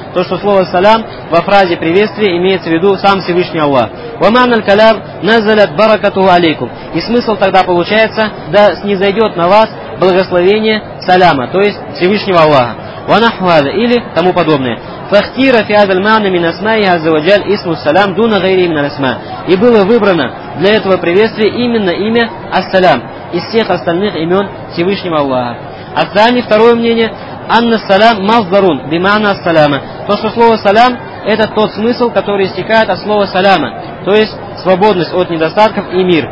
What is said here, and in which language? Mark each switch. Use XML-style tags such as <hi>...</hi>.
<ru>То, что слово салям во фразе приветствия имеется в виду сам Всевышний Аллах.</ru> <ar>Ва маана аль-калям назалят баракатуху алейкум.</ar> <ru>И смысл тогда получается, да снизойдет на вас благословение саляма, то есть Всевышнего Аллаха.</ru> <ar>Ва нахву хаза,</ar> <ru>или тому подобное. ف</ru> <ar>فاختير في هذا المعنى من أسمائه عز وجل اسم السلام دون غيره من الأسماء.</ar> <ru>И было выбрано для этого приветствия именно имя Ас-Салям из всех остальных имен Всевышнего Аллаха. А сами второе мнение,</ru> <ar>Анна Салам Маздарун, бимана Ас-Саляма.</ar> <ru>То, что слово «салям» – это тот смысл, который истекает от слова «саляма», то есть свободность от недостатков и мир.</ru>